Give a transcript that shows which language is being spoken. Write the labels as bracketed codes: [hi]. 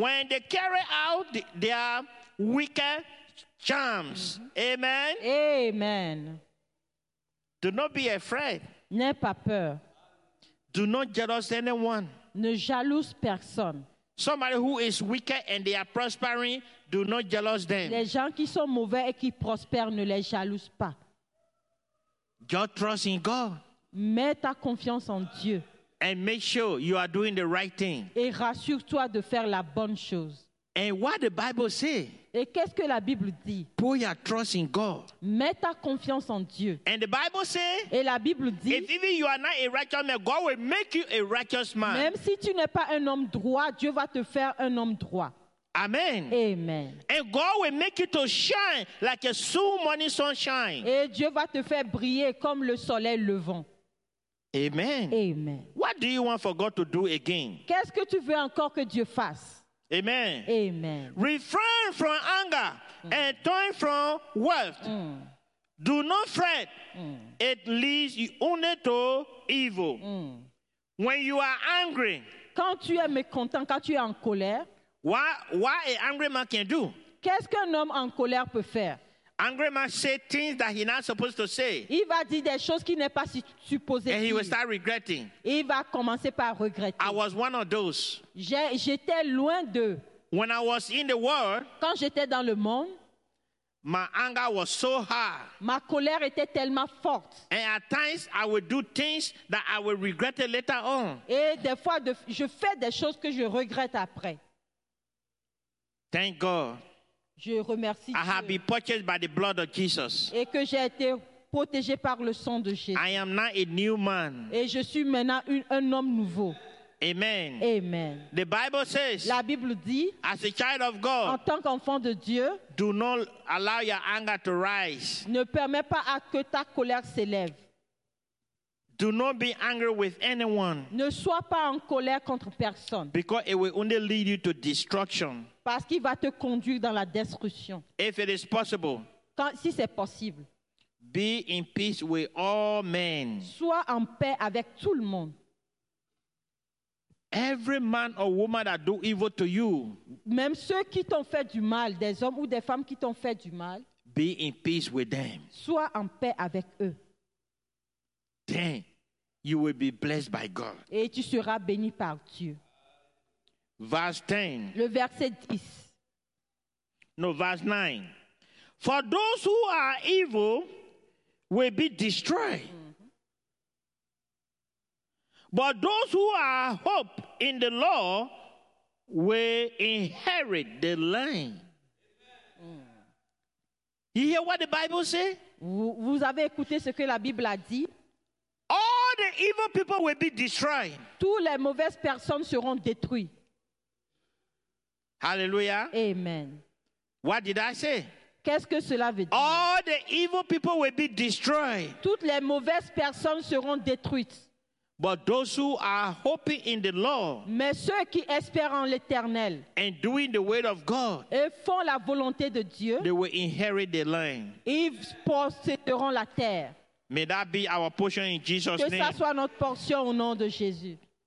[en] when they carry out their wicked charms. Mm-hmm. Amen. Amen. Do not be afraid. [fr] N'aie pas peur. [en] Do not jealous anyone. [fr] Ne jalouse personne. [en] Somebody who is wicked and they are prospering, do not jealous them. [fr] Les gens qui sont mauvais et qui prospèrent, ne les jalouse pas. [en] Your trust in God. [fr] Mets ta confiance en Dieu. [en] And make sure you are doing the right thing. [fr] Et rassure-toi de faire la bonne chose. [en] And what the Bible say? [fr] Et qu'est-ce que la Bible dit? [en] Put your trust in God. [fr] Mets ta confiance en Dieu. [en] And the Bible say? [fr] Et la Bible dit? [en] If even you are not a righteous man, God will make you a righteous man. [fr] Même si tu n'es pas un homme droit, Dieu va te faire un homme droit. Amen. Amen. [en] And God will make you to shine like a soon morning sunshine. [fr] Et Dieu va te faire briller comme le soleil levant. Amen. Amen. [en] What do you want for God to do again? [fr] Qu'est-ce que tu veux encore que Dieu fasse? Amen. Amen. [en] Refrain from anger and turn from wrath. Mm. Do not fret. Mm. It leads you only to evil. Mm. When you are angry. [fr] Quand tu es mécontent, quand tu es en colère. [en] What an angry man can do? [fr] Qu'est-ce qu'un homme en colère peut faire? [en] Angry man say things that he's not supposed to say. [fr] Il va dire des choses qu'il n'est pas supposé dire. [en] And he will start regretting. [fr] Et il va commencer par regretter. [en] I was one of those. [fr] J'étais loin d'eux. [en] When I was in the world. [fr] Quand j'étais dans le monde. [en] My anger was so high. [fr] Ma colère était tellement forte. [en] And at times I would do things that I would regret it later on. [fr] Et des fois je fais des choses que je regrette après. [en] Thank God. [fr] Je remercie [en] Dieu. I have been purchased by the blood of Jesus. [fr] Et que j'ai été protégé par le sang de Jésus. [en] I am now a new man. [fr] Et je suis maintenant un homme nouveau. Amen. Amen. [en] The Bible says, [fr] la Bible dit, [en] as a child of God, [fr] en tant qu'enfant de Dieu, [en] do not allow your anger to rise. [fr] Ne permets pas à que ta colère s'élève. [en] Do not be angry with anyone. [fr] Ne sois pas en colère contre personne. [en] Because it will only lead you to destruction. [fr] Parce qu'il va te conduire dans la destruction. [en] If it is possible, [fr] quand, si c'est possible, [en] be in peace with all men. [fr] Sois en paix avec tout le monde. [en] Every man or woman that do evil to you, [fr] même ceux qui t'ont fait du mal, des hommes ou des femmes qui t'ont fait du mal, [en] be in peace with them. [fr] Sois en paix avec eux. [en] Then you will be blessed by God. [fr] Et tu seras béni par Dieu. [en] Verse 10. [fr] Le verset 10. [en] No, verse 9. For those who are evil will be destroyed. But those who are hope in the law will inherit the land. You hear what the Bible say? [fr] Vous avez écouté ce que la Bible a dit? [en] All the evil people will be destroyed. [fr] Tous les mauvaises personnes seront détruites. Hallelujah. Amen. [en] What did I say? [fr] Qu'est-ce que cela veut dire? [en] All the evil people will be destroyed. [fr] Toutes les mauvaises personnes seront détruites. [en] But those who are hoping in the Lord, [fr] mais ceux qui espèrent en l'Éternel, [en] and doing the will of God, [fr] et font la volonté de Dieu, [en] they will inherit the land. [fr] Ils posséderont la terre. [en] May that be our portion in Jesus' name. [fr] Que ça soit notre portion au nom de Jésus.